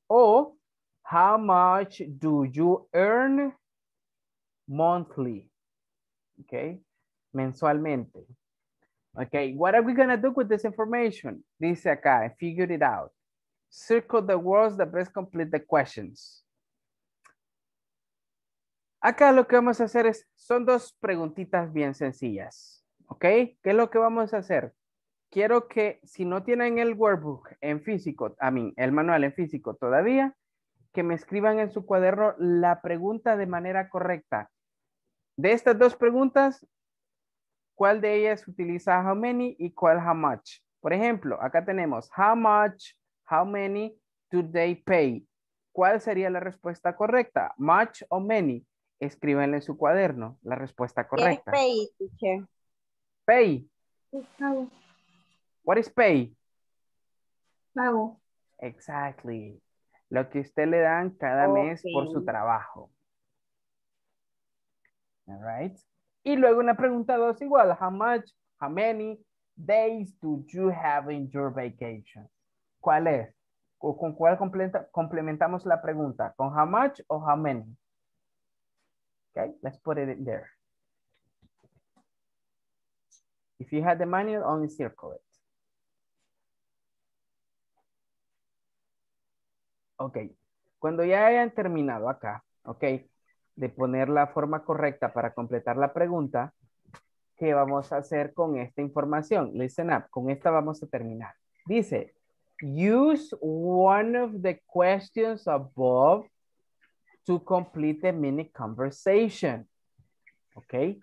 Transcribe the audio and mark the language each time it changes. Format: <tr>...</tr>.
<en>O, how much do you earn monthly? Okay,</en> <es>mensualmente.</es> <en>Okay, what are we gonna do with this information?</en> <es>Dice acá,</es> <en>figure it out. Circle the words that best complete the questions.</en> <es>Acá lo que vamos a hacer es, son dos preguntitas bien sencillas. Okay, ¿qué es lo que vamos a hacer? Quiero que si no tienen el workbook en físico, el manual en físico todavía, que me escriban en su cuaderno la pregunta de manera correcta. De estas dos preguntas, ¿cuál de ellas utiliza how many y cuál how much? Por ejemplo, acá tenemos</es> <en>how much, how many do they pay?</en> <es>¿Cuál sería la respuesta correcta? ¿Much o many? Escríbanle en su cuaderno la respuesta correcta. ¿Qué es pay, teacher?</es> <en>Pay.</en> <es>Pago.</es> <en>What is pay?</en> <es>Pago.</es> <en>Exactly.</en> <es>Lo que usted le dan cada mes por su trabajo.</es> <en>All right.</en> <es>Y luego una pregunta dos igual.</es> <en>How much, how many days do you have in your vacation?</en> <es>¿Cuál es? ¿Con cuál complementamos la pregunta?</es> <en>¿Con how much o how many? Okay, let's put it in there. If you had the manual, only circle it.</en> <es>Okay, cuando ya hayan terminado acá, okay, de poner la forma correcta para completar la pregunta, ¿qué vamos a hacer con esta información? Listen up, con esta vamos a terminar. Dice, use one of the questions above to complete the mini conversation. ¿Ok?</es>